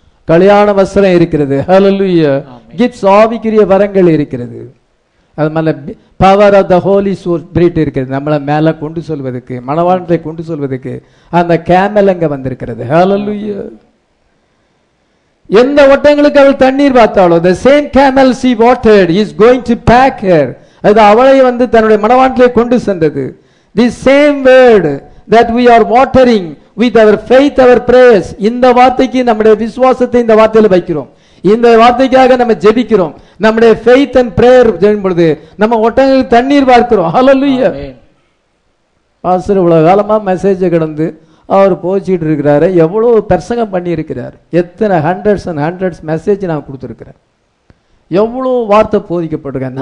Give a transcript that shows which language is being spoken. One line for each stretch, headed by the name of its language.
Tamil: கல்யாண வஸ்திரம் இருக்கிறது, ஹல்லேலூயா, கிஃப்ட்ஸ், ஆவிக்குரிய வரங்கள் இருக்கிறது, அது மேல
English: power of the holy spirit
Tamil: இருக்கிறது, நம்மளை மேலே கொண்டு சொல்வதற்கு, மனவாழ்ந்தை கொண்டு சொல்வதற்கு அந்த கேமல் அங்க வந்திருக்கிறது. ஹல்லேலூயா. எந்த ஓட்டங்களுக்கு அவள் தண்ணீர் பார்த்தாலோ,
English: the same camel she watered is going to pack her.
Tamil: அது அவளை வந்து தன்னுடைய மனவாண்டிலே கொண்டு சென்றது.
English: The same word that we are watering with our faith, our prayers.
Tamil: இந்த வார்த்தைக்கு நம்முடைய விசுவாசத்தை இந்த வார்த்தையில வைக்கிறோம். இந்த வார்த்தைக்காக நம்ம ஜெபிக்கிறோம். நம்முடைய
English: faith and prayer
Tamil: ஜெபிக்கும் பொழுது நம்ம ஓட்டங்களுக்கு தண்ணீர் பார்க்கிறோம். ஹல்லேலூயா. பாஸ்டர் இவ்வளவு காலமா மெசேஜ் கிடந்து அவர் போச்சுட்டு இருக்கிறார், எவ்வளவு பிரசங்கம் பண்ணியிருக்கிறார், எத்தனை
English: hundreds and hundreds message
Tamil: நான் கொடுத்துருக்கிறேன், எவ்வளவு வார்த்தை போதிக்கப்பட்டிருக்கேன்.